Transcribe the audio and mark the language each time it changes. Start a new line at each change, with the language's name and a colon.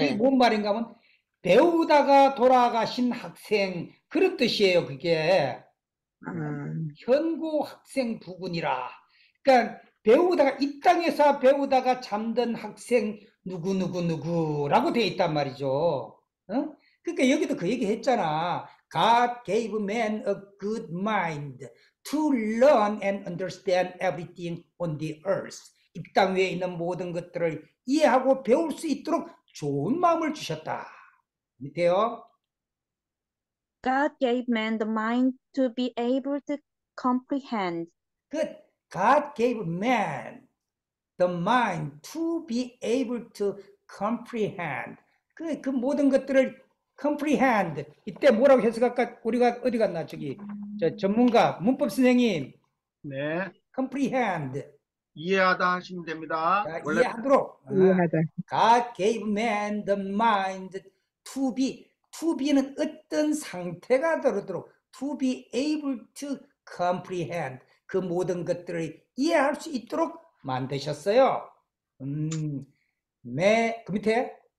Korean: 그게 뭔 말인가 하면 배우다가 돌아가신 학생 그런 뜻이에요 그게. 현고 학생 부근이라. 그러니까 배우다가 이 땅에서 배우다가 잠든 학생 누구누구누구라고 돼 있단 말이죠. 어? 그러니까 여기도 그 얘기 했잖아.
English: God gave man a good mind to learn and understand everything on the earth.
Korean: 이 땅 위에 있는 모든 것들을 이해하고 배울 수 있도록 좋은 마음을 주셨다. 밑에요.
English: God gave man the mind to be able to comprehend. Good. God gave man the mind to be able to comprehend.
Korean: 그 모든 것들을 comprehend. 이때 뭐라고 해석할까? 우리가 어디 갔나? 저기 저 전문가 문법 선생님. 네.
English: Comprehend.
Korean: 이해하다 하시면 됩니다. 자, 원래... 이해하도록. 이해하다.
English: God gave man the mind to be.
Korean: To be는 어떤 상태가 되도록
English: to be able to comprehend
Korean: 그 모든 것들을 이해할 수 있도록 만드셨어요. 그 밑에